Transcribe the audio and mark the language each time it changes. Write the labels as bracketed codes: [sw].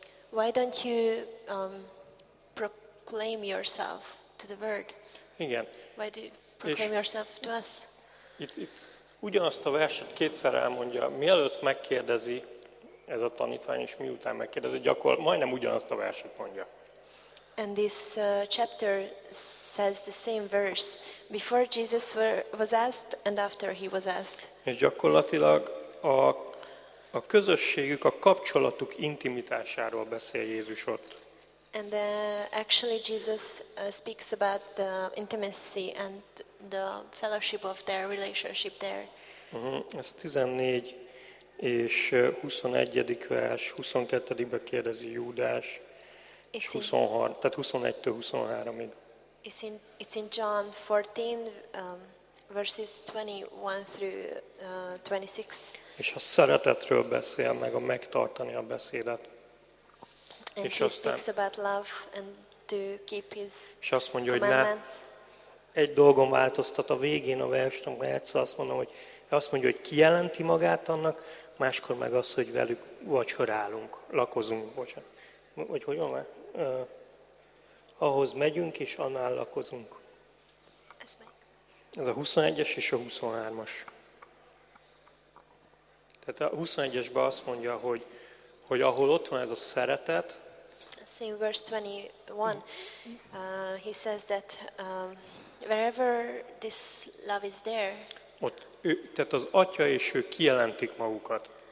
[en] Why don't you proclaim yourself to the word? [hu] Igen. [en] Why do you proclaim yourself to us? [hu] It ugyanazt a verset kétszer elmondja, mielőtt megkérdezi ez a tanítvány, és miután megkérdezi, gyakorlatilag majdnem ugyanazt a verset mondja. [en] And this chapter says the same verse before Jesus was asked and after he was asked. [hu] És gyakorlatilag a közösségük, a kapcsolatuk intimitásáról beszél Jézus ott. [en] And actually Jesus speaks about the intimacy and the fellowship of their relationship there. [hu] Ez 14 és 21. vers, 22-ben kérdezi Júdás, és 23, tehát 21-től 23-ig. [en] It's in John 14, verses 21-26. [hu] És a szeretetről beszél, meg a megtartani a beszédet. [en] And [hu] és [en] he [hu] aztán, [en] speaks about love and to keep his [hu] commandments. És azt mondja, hogy ne, egy dolgon változtat a végén a verset, mert egyszer azt mondom, hogy azt mondja, hogy kijelenti magát annak, máskor meg az, hogy velük vacsorálunk, lakozunk, bocsánat. Vagy hogy van? Ahhoz megyünk, és annál lakozunk. Ez meg. Ez a 21-es és a 23-as. Tehát a 21-esben azt mondja, hogy ahol ott van ez a szeretet. [en] Same verse 21. He says that wherever this love is there. [hu] Ott, ő, tehát az atya és ő kijelentik magukat.